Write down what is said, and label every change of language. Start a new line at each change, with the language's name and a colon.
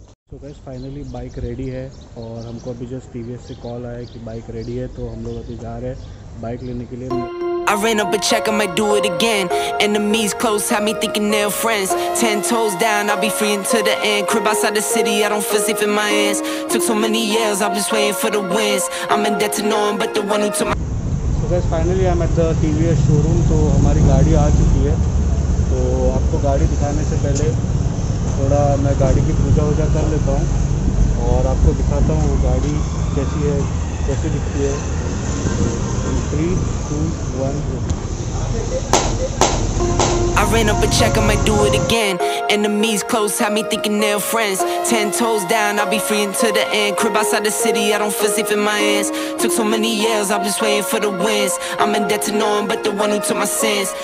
Hindi: Finally bike ready है और हमको अभी जस्ट टीवीएस से कॉल आया कि बाइक रेडी है, तो हम लोग अभी जा रहे हैं बाइक लेने के लिए.
English: I ran up a check, I might do it again. Enemies close, have me thinking they're friends. 10 toes down, I'll be free until the end. Crib outside the city, I don't feel safe in my hands. Took so many years, I'm just waiting for the wins. I'm in debt to no one but the one who took my. So guys, finally I'm at the TVS showroom.
Hindi: तो हमारी गाड़ी आ चुकी है. तो आपको गाड़ी दिखाने से पहले थोड़ा मैं गाड़ी की पूजा वूजा कर लेता हूँ और आपको दिखाता हूँ वो गाड़ी कैसी है, कैसी दिखती है. 3, 2, 1.
English: I ran up a check, I might do it again. Enemies close, have me thinking they're friends. 10 toes down, I'll be free until the end. Crib outside the city, I don't feel safe in my hands. Took so many years, I'm just waiting for the wins. I'm in debt to no one but the one who took my sins.